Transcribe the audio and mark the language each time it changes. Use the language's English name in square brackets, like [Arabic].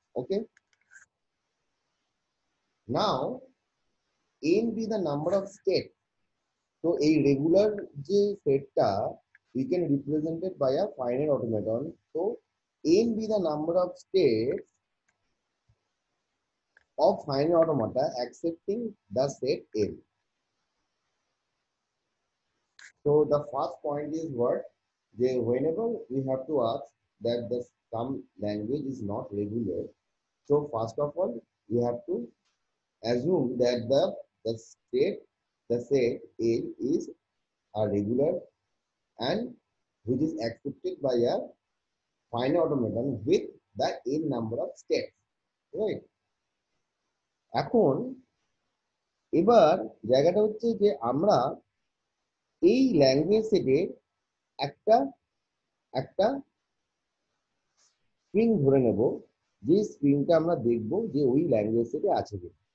[English] okay, now N B the number of state, [Bangla] তো এই regular যে সেটটা [English] We can represented by a finite automaton, তো N B the number of state of finite automata accepting the set L. So the first point is what? They, whenever we have to ask that the some language is not regular, so first of all we have to assume that the state, the set A is a regular and which is accepted by a finite automaton with the n number of states, right? [Bangla] এখন এবার জায়গাটা হচ্ছে যে আমরা এই language থেকে একটা একটা স্ট্রিং ধরে নেব, যে স্ট্রিংটা আমরা দেখব যে ওই ল্যাঙ্গুয়েজ থেকে আছে কি।